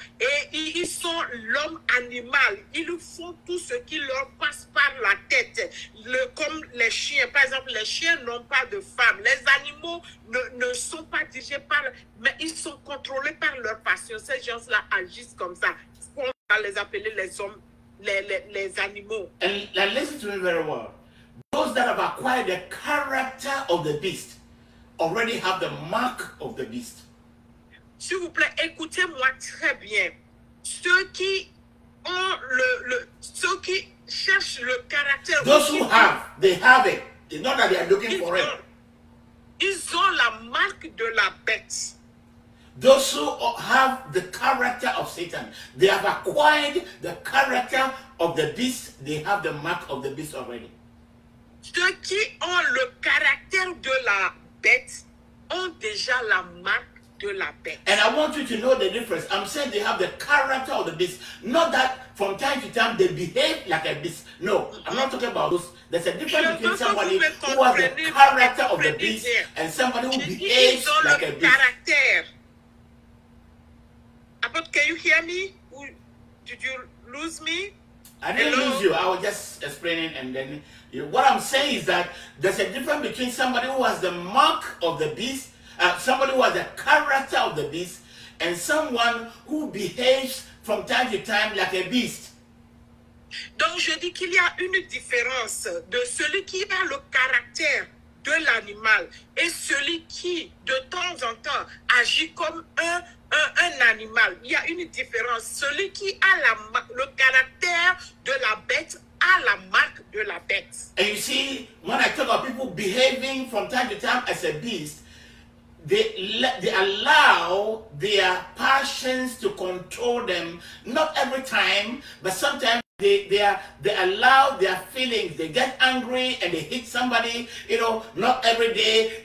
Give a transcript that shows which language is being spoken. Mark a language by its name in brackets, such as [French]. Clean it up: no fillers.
[French] Et ils sont l'homme animal. Ils font tout ce qui leur passe par la tête. Comme les chiens. Par exemple, les chiens n'ont pas de femme. Les animaux ne sont pas dirigés par... Mais ils sont contrôlés par leur passion. Ces gens-là agissent comme ça. On va les appeler les hommes, les animaux. [English] And listen to me very well. Those that have acquired the character of the beast already have the mark of the beast. [French] S'il vous plaît, écoutez-moi très bien. Ceux qui ont ceux qui cherchent le caractère. [English] Those who have, they have it. They know that they are looking for it. [French] Ils ont la marque de la bête. [English] Those who have the character of Satan, they have acquired the character of the beast. They have the mark of the beast already. [French] Ceux qui ont le caractère de la bête ont déjà la marque de la bête. [English] And I want you to know the difference. I'm saying they have the character of the beast. Not that from time to time they behave like a beast. No, I'm not talking about those. There's a difference between somebody who has the character of the beast and somebody who behaves like a beast. But can you hear me? Did you lose me? I didn't lose you. I was just explaining, and then what I'm saying is that there's a difference between somebody who has the mark of the beast, somebody who has the character of the beast, and someone who behaves from time to time like a beast. [French] Donc je dis qu'il y a une différence de celui qui a le caractère de l'animal et celui qui de temps en temps agit comme un animal. Il y a une différence. Celui qui a le caractère de la bête a la marque de la bête. [English] And you see, when I talk about people behaving from time to time as a beast, they allow their passions to control them. Not every time, but sometimes they allow their feelings. They get angry and they hit somebody. You know, not every day.